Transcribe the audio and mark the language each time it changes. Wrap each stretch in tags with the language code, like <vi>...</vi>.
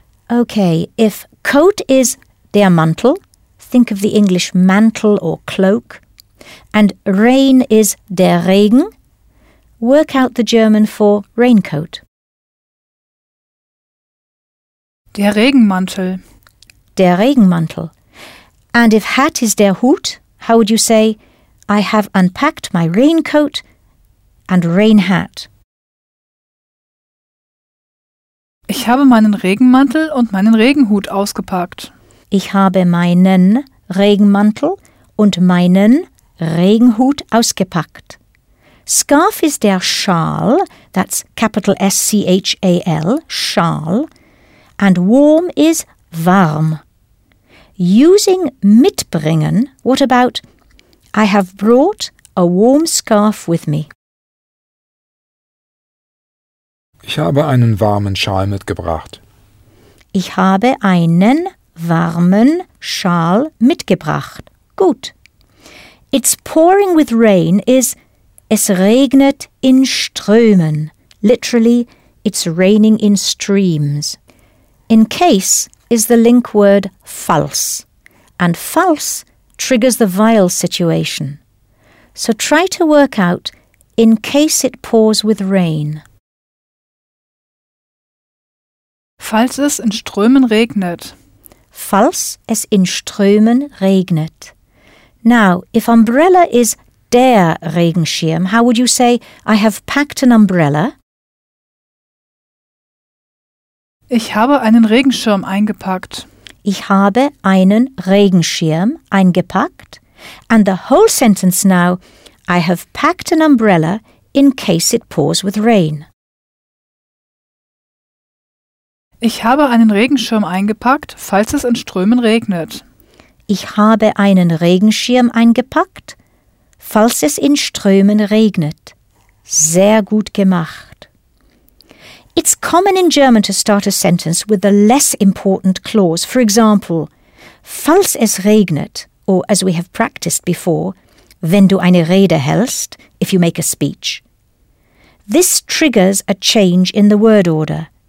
<en>Okay, if coat is der Mantel, think of the English mantle or cloak, and rain is der Regen, work out the German for raincoat.</en> <de>Der Regenmantel. Der Regenmantel.</de> <en>And if hat is der Hut, how would you say, I have unpacked my raincoat and rain hat?</en> <de>Ich habe meinen Regenmantel und meinen Regenhut ausgepackt. Ich habe meinen Regenmantel und meinen Regenhut ausgepackt.</de> <en>Scarf is der Schal, that's capital S-C-H-A-L, Schal, and warm is warm. Using mitbringen, what about, I have brought a warm scarf with me.</en> <de>Ich habe einen warmen Schal mitgebracht. Ich habe einen warmen Schal mitgebracht. Gut.</de> <en>It's pouring with rain is</en> <de>es regnet in Strömen.</de> <en>Literally, it's raining in streams. In case is the link word falls. And falls triggers the vowel situation. So try to work out in case it pours with rain.</en> <de>Falls es in Strömen regnet. Falls es in Strömen regnet.</de> <en>Now, if umbrella is der Regenschirm, how would you say, I have packed an umbrella?</en> <de>Ich habe einen Regenschirm eingepackt. Ich habe einen Regenschirm eingepackt.</de> <en>And the whole sentence now, I have packed an umbrella in case it pours with rain.</en> <de>Ich habe einen Regenschirm eingepackt, falls es in Strömen regnet. Ich habe einen Regenschirm eingepackt, falls es in Strömen regnet. Sehr gut gemacht.</de> <en>It's common in German to start a sentence with a less important clause. For example,</en> <de>falls es regnet,</de> <en>or as we have practiced before,</en> <de>wenn du eine Rede hältst,</de> <en>if you make a speech. This triggers a change in the word order.</en>